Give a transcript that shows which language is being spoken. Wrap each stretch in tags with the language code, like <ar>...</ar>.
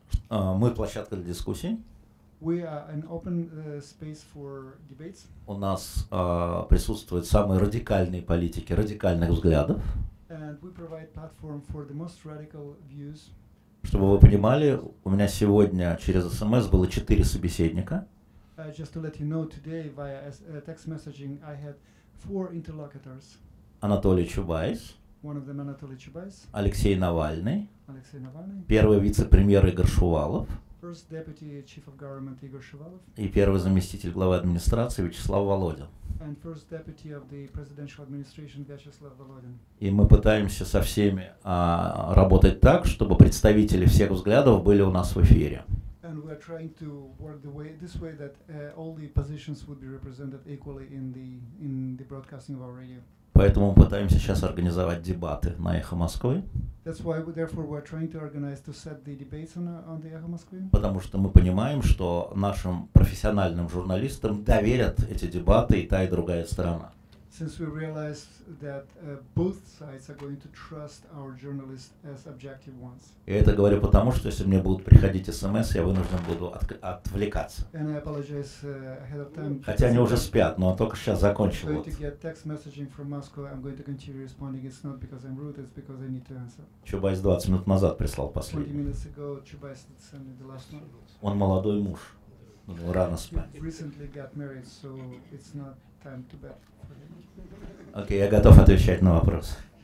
<ru>Мы площадка для дискуссий.</ru> <en>We are an open space for debates.</en> <ru>У нас присутствуют самые радикальные политики, радикальных взглядов.</ru> <en>And we provide platform for the most radical views.</en> <ru>Чтобы вы понимали, у меня сегодня через SMS было 4 собеседника.</ru> <en>Just to let you know, today via text messaging I had 4 interlocutors.</en> <ru>Анатолий Чубайс.</ru> <en>One of them, Анатолий Чубайс.</en> <ru>Алексей Навальный. Алексей Навальный. Первый вице-премьер Игорь Шувалов.</ru> <en>First deputy chief of government Игорь Шувалов.</en> <ru>И первый заместитель главы администрации Вячеслав Володин.</ru> <en>And first deputy of the presidential administration Вячеслав Володин.</en> <ru>И мы пытаемся со всеми работать так, чтобы представители всех взглядов были у нас в эфире.</ru> <en>And we are trying to work the way this way that all the positions would be represented equally in the broadcasting of our radio.</en> <ru>Поэтому мы пытаемся сейчас организовать дебаты на «Эхо Москвы».</ru> <en>That's why we, therefore, we're trying to organize to set the debates on the «Эхо Москвы».</en> <ru>Потому что мы понимаем, что нашим профессиональным журналистам доверят эти дебаты и та, и другая сторона.</ru> <en>Since we realize that both sides are going to trust our journalists as objective ones.</en> <ru>Я это говорю потому, что если мне будут приходить SMS, я вынужден буду отвлекаться.</ru> <en>And I apologize ahead of time.</en> <ru>Хотя они уже спят, но только сейчас закончил.</ru> <en>I'm going to get text messaging from Moscow. I'm going to continue responding. It's not because I'm rude, it's because I need to answer.</en> <ru>Чубайс 20 минут назад прислал последний.</ru> <en>20 minutes ago, Чубайс sent me the last one.</en> <ru>Он молодой муж. Ну, рано спать.</ru> <en>He recently got married, so it's not time to bed.</en> <ru>Окей, я готов отвечать на вопрос.</ru>